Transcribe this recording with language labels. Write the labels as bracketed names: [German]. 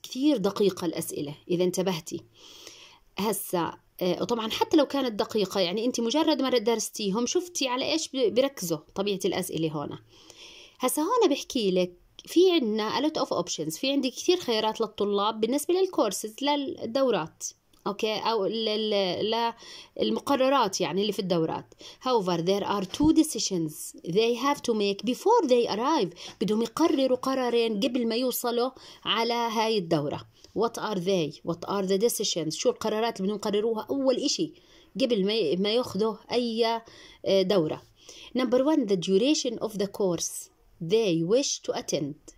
[Arabic] كثير دقيقة الأسئلة إذا انتبهتي. هسا وطبعاً حتى لو كانت دقيقة يعني أنت مجرد ما درستيهم شفتي على إيش بركزوا طبيعة الأسئلة هنا. هسا هنا بحكي لك. في عنا [English] a lot of options. [Arabic] في عندي كثير خيارات للطلاب بالنسبة للكورسز للدورات. أوكي أو للمقررات يعني اللي في الدورات. [English] However, there are two decisions they have to make before they arrive. [Arabic] بدهم يقرروا قرارين قبل ما يوصلوا على هاي الدورة. [English] What are they? What are the decisions? [Arabic] شو القرارات اللي بدهم يقرروها أول إشي قبل ما يأخذوا أي دورة. [English] Number one, the duration of the course. They wish to attend.